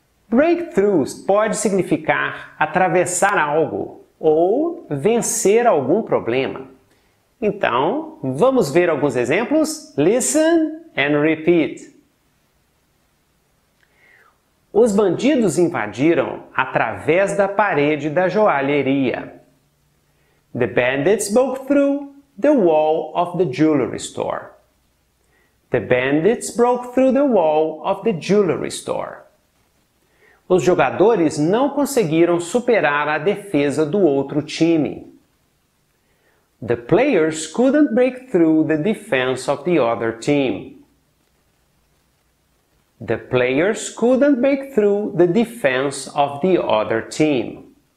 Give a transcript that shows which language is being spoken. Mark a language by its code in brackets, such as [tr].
[pt] Breakthroughs pode significar atravessar algo ou vencer algum problema. Então, vamos ver alguns exemplos? [en] Listen and repeat. [pt] Os bandidos invadiram através da parede da joalheria. [en] The bandits broke through the wall of the jewelry store. The bandits broke through the wall of the jewelry store. [pt] Os jogadores não conseguiram superar a defesa do outro time. [en] The players couldn't break through the defense of the other team. The players couldn't break through the defense of the other team.